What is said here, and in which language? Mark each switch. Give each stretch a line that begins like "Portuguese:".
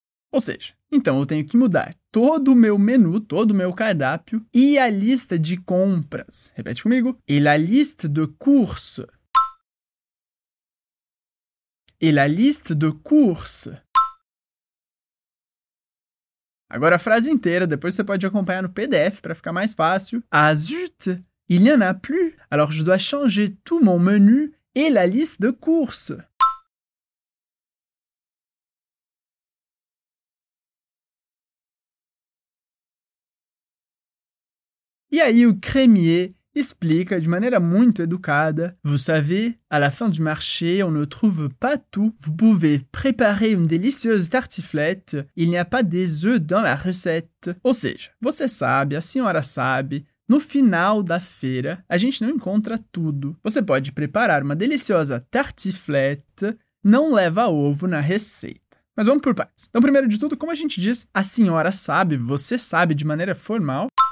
Portuguese: Ou seja, então eu tenho que mudar todo o meu menu, todo o meu cardápio e a lista de compras. Repete comigo.
French: Et la liste de courses. Et la liste de courses.
Portuguese: Agora a frase inteira, depois você pode acompanhar no PDF para ficar mais fácil.
French: Ah, zut, il n'y en a plus. Alors je dois changer tout mon menu et la liste de courses.
Portuguese: E aí o crémier explica de maneira muito educada.
French: Vous savez, à la fin du marché, on ne trouve pas tout. Vous pouvez préparer une délicieuse tartiflette. Il n'y a pas des œufs dans la recette.
Portuguese: Ou seja, você sabe, a senhora sabe, no final da feira, a gente não encontra tudo. Você pode preparar uma deliciosa tartiflette. Não leva ovo na receita. Mas vamos por partes. Então, primeiro de tudo, como a gente diz, a senhora sabe, você sabe de maneira formal.